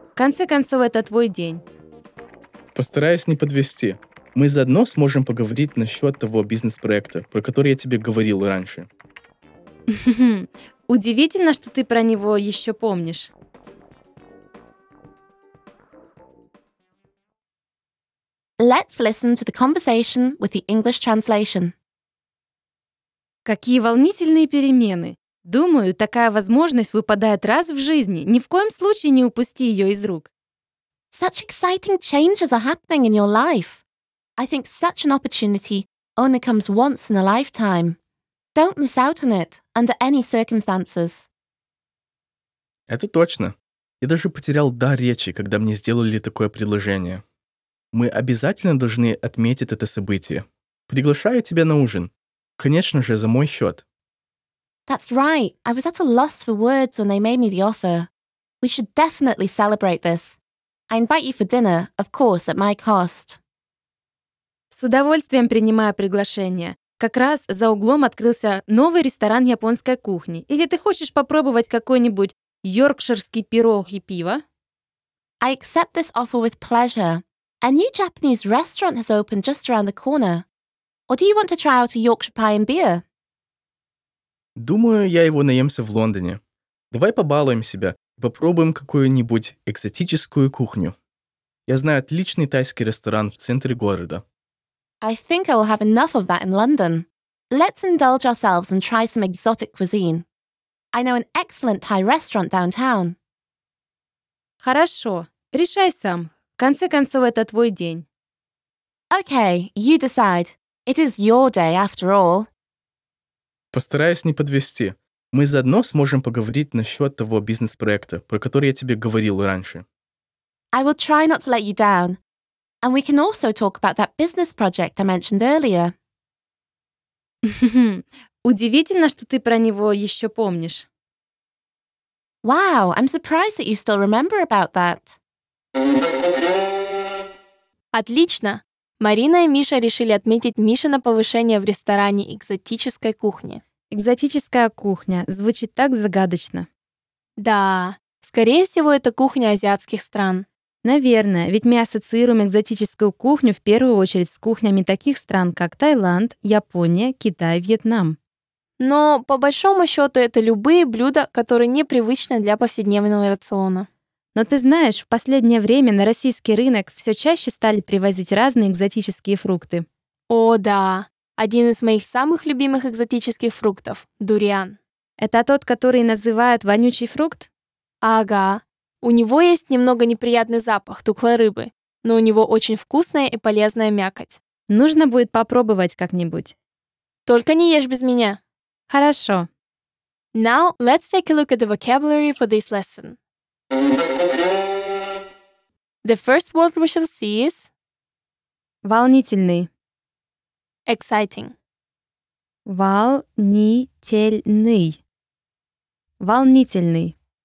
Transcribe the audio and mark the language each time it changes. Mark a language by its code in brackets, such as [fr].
[ru] В конце концов, это твой день. Постараюсь не подвести. Мы заодно сможем поговорить насчет того бизнес-проекта, про который я тебе говорил раньше. Удивительно, что ты про него еще помнишь. [en] Let's listen to the conversation with the English translation. [ru] Какие волнительные перемены! Думаю, такая возможность выпадает раз в жизни. Ни в коем случае не упусти ее из рук. [en] Such exciting changes are happening in your life. I think such an opportunity only comes once in a lifetime. Don't miss out on it under any circumstances. [ru] Это точно. Я даже потерял дар речи, когда мне сделали такое предложение. Мы обязательно должны отметить это событие. Приглашаю тебя на ужин. Конечно же, за мой счет. [en] That's right. I was at a loss for words when they made me the offer. We should definitely celebrate this. I invite you for dinner, of course, at my cost. [ru] С удовольствием принимаю приглашение. Как раз за углом открылся новый ресторан японской кухни. Или ты хочешь попробовать какой-нибудь йоркширский пирог и пиво? [en] I accept this offer with pleasure. A new Japanese restaurant has opened just around the corner. Or do you want to try out a Yorkshire pie and beer? [ru] Думаю, я его наемся в Лондоне. Давай побалуем себя и попробуем какую-нибудь экзотическую кухню. Я знаю отличный тайский ресторан в центре города. [en] I think I will have enough of that in London. Let's indulge ourselves and try some exotic cuisine. I know an excellent Thai restaurant downtown. [ru] Хорошо, решай сам. В конце концов, это твой день. [en] Okay, you decide. It is your day, after all. [ru] Постараюсь не подвести. Мы заодно сможем поговорить насчет того бизнес-проекта, про который я тебе говорил раньше. [en] I will try not to let you down. And we can also talk about that business project I mentioned earlier. [ru] Удивительно, что ты про него еще помнишь. [en] Wow, I'm surprised that you still remember about that. [ru] Отлично! Марина и Миша решили отметить Мишино повышение в ресторане экзотической кухни. Экзотическая кухня. Звучит так загадочно. Да, скорее всего, это кухня азиатских стран. Наверное, ведь мы ассоциируем экзотическую кухню в первую очередь с кухнями таких стран, как Таиланд, Япония, Китай, Вьетнам. Но, по большому счету, это любые блюда, которые непривычны для повседневного рациона. Но ты знаешь, в последнее время на российский рынок все чаще стали привозить разные экзотические фрукты. О, да. Один из моих самых любимых экзотических фруктов – дуриан. Это тот, который называют вонючий фрукт? Ага. У него есть немного неприятный запах тухлой рыбы, но у него очень вкусная и полезная мякоть. Нужно будет попробовать как-нибудь. Только не ешь без меня. Хорошо. [en] Now let's take a look at the vocabulary for this lesson. The first word we shall see is [ru] волнительный. [en] Exciting. [ru] Волнительный. Волнительный.